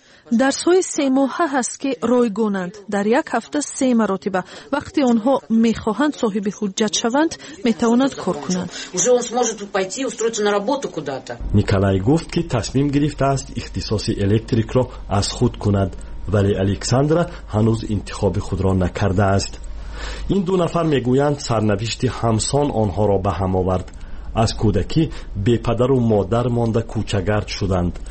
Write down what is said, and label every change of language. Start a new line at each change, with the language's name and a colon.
Tajik: Дарсҳои се моҳа ҳаст, ки ройгонанд. Дар як ҳафта се маротиба. Вақте онҳо мехоҳанд соҳиби ҳуҷҷат шаванд, метавонанд кор кунанд.
Russian: Уже он сможет пойти устроиться на работу куда-то.
Tajik: Николай гуфт, ки тасмим гирифтааст ихтисоси электрикро аз худ кунад, вале Александра ҳанӯз интихоби худро накардааст.
Persian: این دو نفر میگویند سرنوشت همسان آنها را به هم آورد. از کودکی بی پدر و مادر مانده کوچه‌گرد شدند.